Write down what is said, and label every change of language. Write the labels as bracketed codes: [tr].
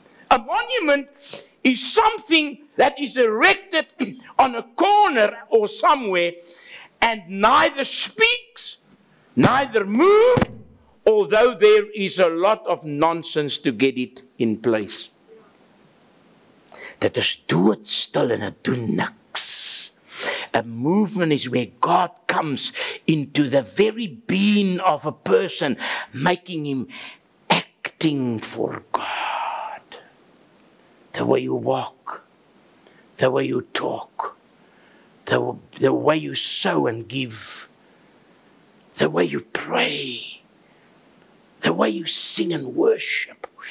[en] A monument is something that is erected on a corner or somewhere and neither speaks, neither move, although there is a lot of nonsense to get it in place. [nl] Dit is doodstil en het doen niks. [en] A movement is where God comes into the very being of a person, making him acting for God. The way you walk, the way you talk, the way you sow and give, the way you pray, the way you sing and worship.